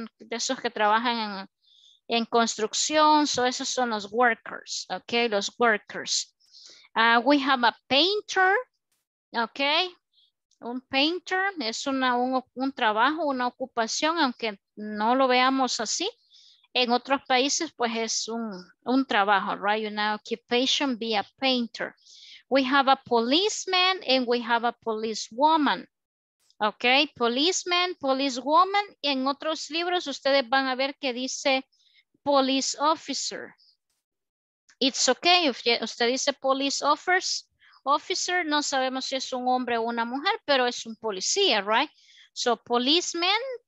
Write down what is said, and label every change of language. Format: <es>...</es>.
<es>De esos que trabajan en construcción, so esos son los workers, okay, los workers.</es> <en>We have a painter,</en> <es>okay, un painter es un trabajo, una ocupación, aunque no lo veamos así, en otros países pues es un trabajo, right?</es> <en>Una occupation, be a painter. We have a policeman and we have a policewoman. Okay, policeman, policewoman.</en> <es>En otros libros ustedes van a ver que dice police officer.</es> <en>It's okay if</en> <es>usted dice police officer, no sabemos si es un hombre o una mujer, pero es un policía, right? So policeman,</es>